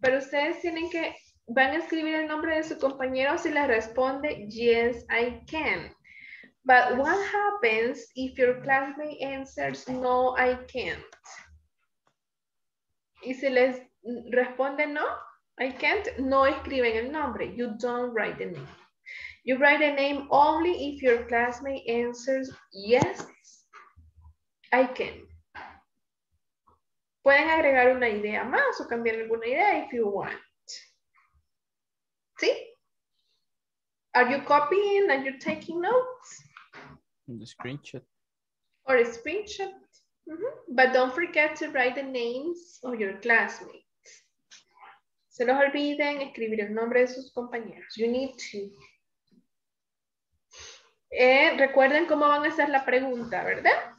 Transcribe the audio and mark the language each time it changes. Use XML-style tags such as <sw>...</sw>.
<es>Pero ustedes tienen que, van a escribir el nombre de su compañero si le responde,</es> <en>yes, I can. But what happens if your classmate answers, no, I can't?</en> <es>Y si les responde no,</es> <en>I can't,</en> <es>no escriben el nombre.</es> <en>You don't write the name. You write the name only if your classmate answers yes, I can.</en> <es>Pueden agregar una idea más o cambiar alguna idea</es> <en>if you want. ¿Sí? Are you copying? Are you taking notes? In the screenshot. Or a screenshot. Mm-hmm. But don't forget to write the names of your classmates.</en> <es>Se los olviden escribir el nombre de sus compañeros.</es> <en>You need to.</en> <es>Recuerden cómo van a hacer la pregunta, ¿verdad?</es>